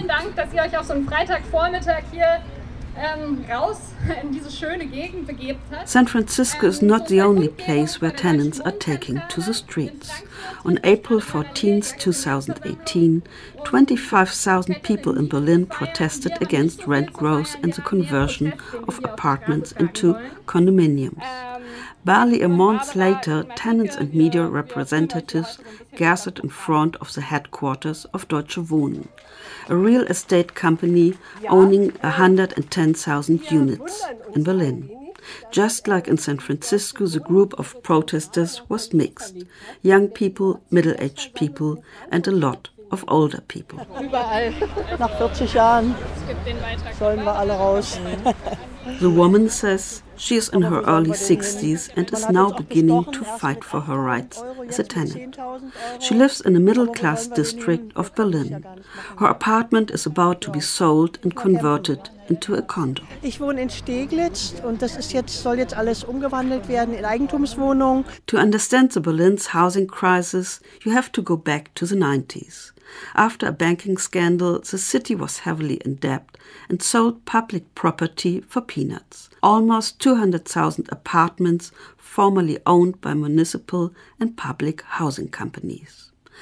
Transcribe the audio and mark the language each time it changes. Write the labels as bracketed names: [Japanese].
[German] Vielen Dank, dass ihr euch auf so einen Freitagvormittag hier raus in diese schöne Gegend begebt habt. [English] San Francisco is not the only place where tenants are taking to the streets. On April 14, 2018, 25,000 people in Berlin protested against rent growth and the conversion of apartments into condominiums. Barely a month later, tenants and media representatives gathered in front of the headquarters of Deutsche Wohnen, a real estate company owning 110,000 units in Berlin. Just like in San Francisco, the group of protesters was mixed. Young people, middle-aged people and a lot of older people. [German] Nach 40 Jahren sollen wir alle raus. [English] The woman says she is in her early 60s and is now beginning to fight for her rights as a tenant. She lives in a middle-class district of Berlin. Her apartment is about to be sold and converted into a condo. [German] Ich wohne in Steglitz und das ist jetzt soll jetzt alles umgewandelt werden in Eigentumswohnung. [English] To understand the Berlin's housing crisis, you have to go back to the 90s. After a banking scandal, the city was heavily in debt and sold public property for peanuts. Almost 200,000 apartments formerly owned by municipal and public housing companies.